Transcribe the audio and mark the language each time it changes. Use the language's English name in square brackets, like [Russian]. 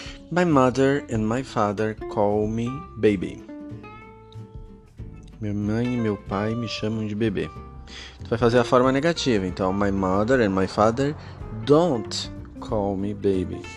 [English] My mother and my father call me baby. [Portuguese] Minha mãe e meu pai me chamam de bebê. Tu vai fazer a forma negativa. Então, [English] my mother and my father don't call me baby.